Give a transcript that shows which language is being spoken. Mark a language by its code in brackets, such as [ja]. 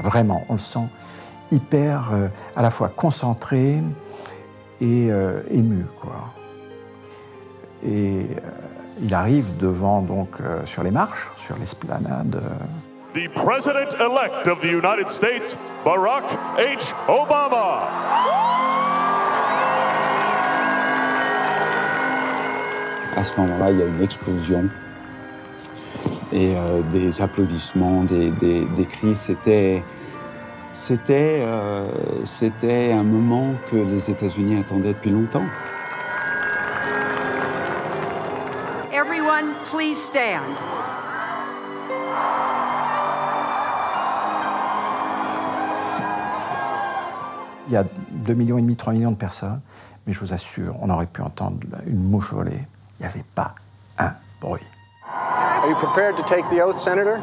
[fr] Vraiment, on le sent hyper, à la fois concentré et ému, quoi. Et il arrive devant, donc, sur les marches, sur l'esplanade. [en] The president-elect of the United States, Barack H. Obama. [fr] À ce moment-là, il y a une explosion et des applaudissements, des cris. C'était un moment que les États-Unis attendaient depuis longtemps. [en] Everyone, please stand. [fr] Il y a 2,5 millions, 3 millions de personnes, mais je vous assure, on aurait pu entendre une mouche voler. Il n'y avait pas un bruit. [en] Are you prepared to take the oath, Senator?